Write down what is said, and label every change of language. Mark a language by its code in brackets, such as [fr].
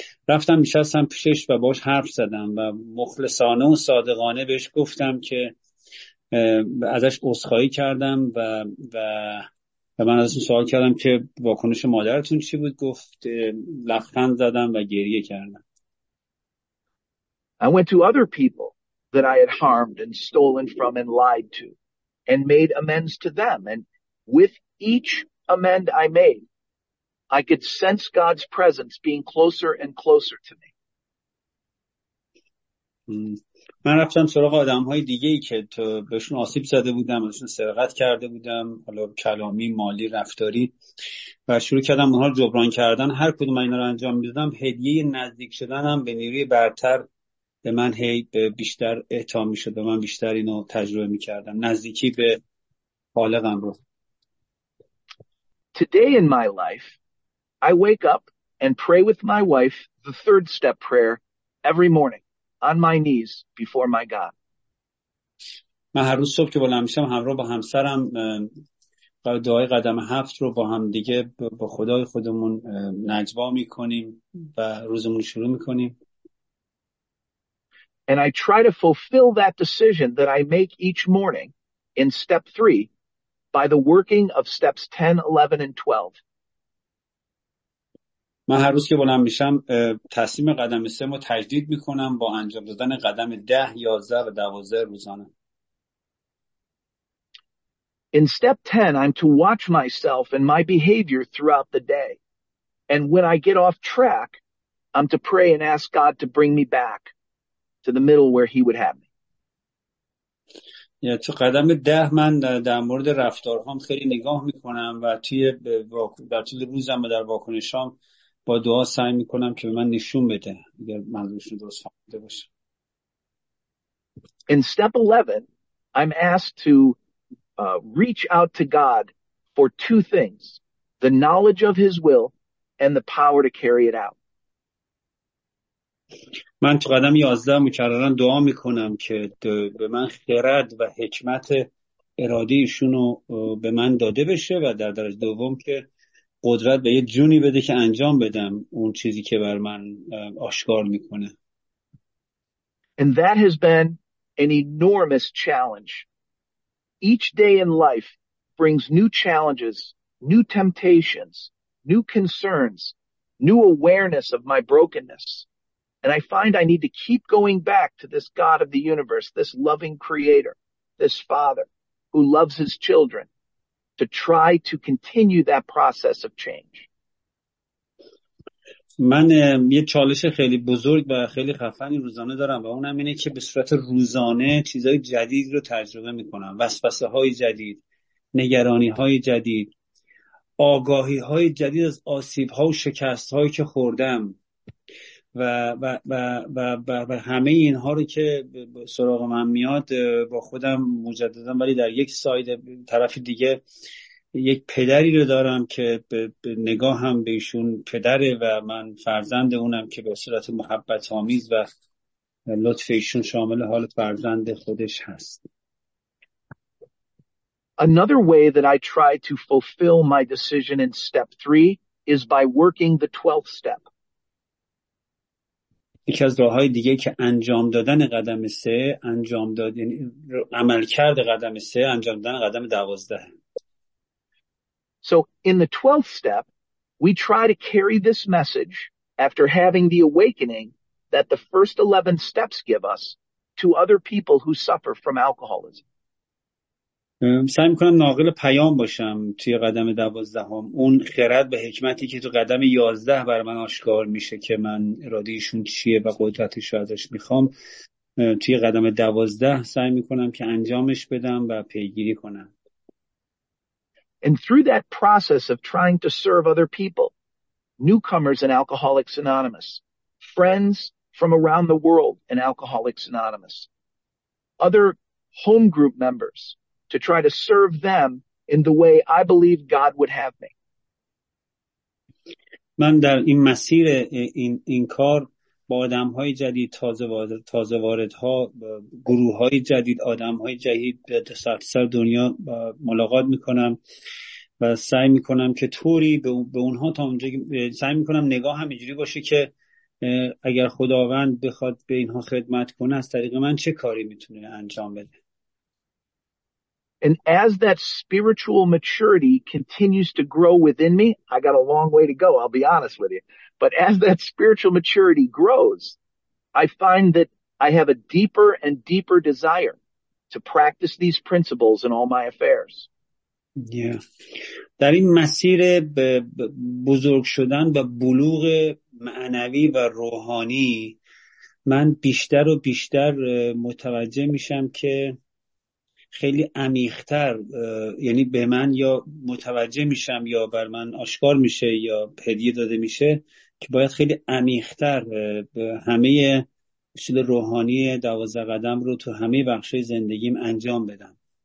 [fa] رفتم نشستم پیشش و باش حرف زدم و مخلصانه و صادقانه بهش گفتم که ازش عذرخواهی کردم و من ازش سوال کردم که واکنش مادرتون چی بود. گفت لبخند زدم و گریه کردم. [en] I went to other people that I had harmed and stolen from and lied to and made amends to them. And with each amend I made, I could sense God's presence being closer and closer to me. [fa] من رفتم سراغ آدم های دیگه ای که تو بهشون آسیب زده بودم، بهشون سرقت کرده بودم، حالا کلامی، مالی، رفتاری، و شروع کردم اونها رو جبران کردن. هر کدوم من اینا رو انجام می دادم، هدیه نزدیک شدنم به نیروی برتر به من هی به بیشتر اعطا می شد و من بیشتر اینو تجربه می کردم، نزدیکی به خالقم رو. [en] Today in my life, I wake up and pray with my wife the third step prayer every morning on my knees before my God. [fa] من هر روز صبح که بلند میشم همراه با همسرم دعای قدم هفت رو با هم دیگه با خدای خودمون نجوا میکنیم و روزمون شروع میکنیم. [en] And I try to fulfill that decision that I make each morning in step three by the working of steps 10, 11, and 12. [fa] من هر روز که بلند میشم تصمیم قدم سوم رو تجدید میکنم با انجام دادن قدم 10, 11 و 12 روزانه. [en] In step 10, I'm to watch myself and my behavior throughout the day. And when I get off track, I'm to pray and ask God to bring me back to the middle where he would have me. [fa] یا تو قدم 10 من در مورد رفتارهام خیلی نگاه میکنم و توی در طول روزم و در واکنشام با دعا سعی میکنم که به من نشون بده اگر منظورشون درست فهمیده باشه. [en] In step 11, I'm asked to reach out to God for two things, the knowledge of his will and the power to carry it out. [fa] من تو قدم 11 مکررن دعا میکنم که به من خرد و حکمت اراده ایشون رو به من داده بشه و در درجه دوم که قدرت به یه جونی بده که انجام بدم اون چیزی که بر من آشکار میکنه. [en] And that has been an enormous challenge. Each day in life brings new challenges, new temptations, new concerns, new awareness of my brokenness. And I find I need to keep going back to this God of the universe, this loving creator, this father who loves his children, to try to continue that process of change. [fa] من یه چالش خیلی بزرگ و خیلی خفنی روزانه دارم و اونم اینه که به صورت روزانه چیزهای جدید رو تجربه میکنم. وسوسه های جدید، نگرانی های جدید، آگاهی های جدید از آسیب ها و شکست هایی که خوردم و همه اینها رو که سراغ من میاد با خودم مجددم، ولی در یک ساید طرف دیگه یک پدری رو دارم که به نگاهم به ایشون پدره و من فرزند اونم که به صورت محبت آمیز و لطف ایشون شامل حال فرزند خودش هست. [en] Another way that I try to fulfill my decision in step 3 is by working the 12th step. [fa] یکی از راه‌های دیگه که انجام دادن قدم 3 انجام داد، یعنی عمل کرد قدم 3 انجام دادن قدم 12. [en] So in the 12th step, we try to carry this message after having the awakening that the first 11 steps give us to other people who suffer from alcoholism. [fa] سعی میکنم ناقل پیام باشم توی قدم 12، اون خرد به حکمتی که تو قدم 11 بر من آشکار میشه که من ارادهشون چیه و قدرتش رو ازش میخوام، توی قدم 12 سعی میکنم که انجامش بدم و پیگیری کنم. [en] And through that process of trying to serve other people, newcomers in Alcoholics Anonymous, friends from around the world in Alcoholics Anonymous, other home group members, to try to serve them in the way I believe God would have me. [fa] من در این مسیر این کار با آدم های جدید، تازه وارد ها، گروه های جدید، آدم های جدید به سراسر دنیا ملاقات میکنم و سعی میکنم که طوری به اونها تا اونجا سعی میکنم نگاه هم اینجوری باشه که اگر خداوند بخواد به اینها خدمت کنه از طریق من چه کاری میتونه انجام بده. [en] And as that spiritual maturity continues to grow within me, I got a long way to go, I'll be honest with you. But as that spiritual maturity grows, I find that I have a deeper and deeper desire to practice these principles in all my affairs. Yeah. [fa] در این مسیر بزرگ شدن و بلوغ معنوی و روحانی من بیشتر و بیشتر متوجه میشم که خیلی عمیق‌تر، یعنی به من یا متوجه میشم یا بر من آشکار میشه یا هدیه داده میشه که باید خیلی عمیق‌تر به همه اصول روحانی 12 قدم رو تو همه بخش‌های زندگیم انجام بدم.